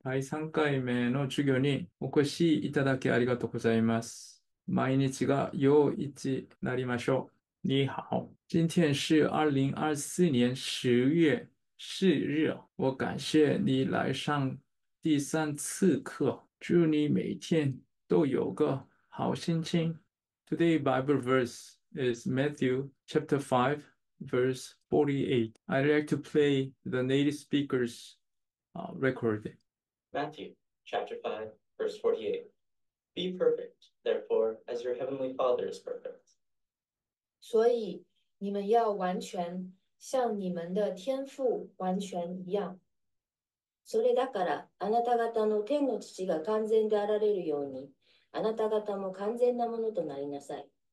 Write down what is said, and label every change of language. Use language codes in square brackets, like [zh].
[ja] 第3回目の授業にお越しいただきありがとうございます。毎日が良い一になりましょう。 [zh] 你好，今天是2024年10月4日，我感谢你来上第三次课，祝你每天都有个好心情。 [en] Today Bible verse is Matthew chapter 5, verse 48. I'd like to play the native speaker's record. Matthew chapter 5, verse 48. Be perfect, therefore, as your heavenly Father is perfect. [zh] 所以你们要完全像你们的天父完全一样。 [ja] それだからあなた方の天の父が完全であられるようにあなた方も完全なものとなりなさい。